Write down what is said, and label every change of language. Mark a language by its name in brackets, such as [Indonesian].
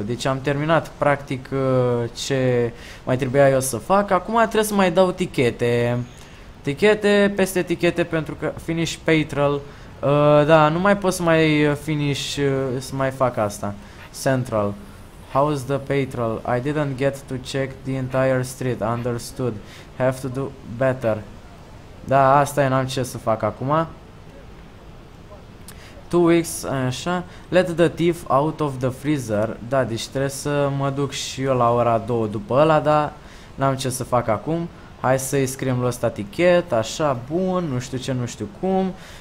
[Romanian] Deci am terminat practic ce mai trebuia eu să fac. Acum trebuie să mai dau tichete. Tichete peste tichete pentru că finish patrol. Da, nu mai pot să mai finish, să mai fac asta. [English] Central. How's the patrol? I didn't get to check the entire street. Understood. Have to do better. [Romanian] Da, asta e, n-am ce să fac acum. [English] 2 weeks, așa. Let the thief out of the freezer. [Romanian] Da, deci trebuie să mă duc și eu la ora 2 după ăla, dar n-am ce să fac acum. Hai să-i scriem lui ăsta tichet, așa, bun, nu știu ce, nu știu cum.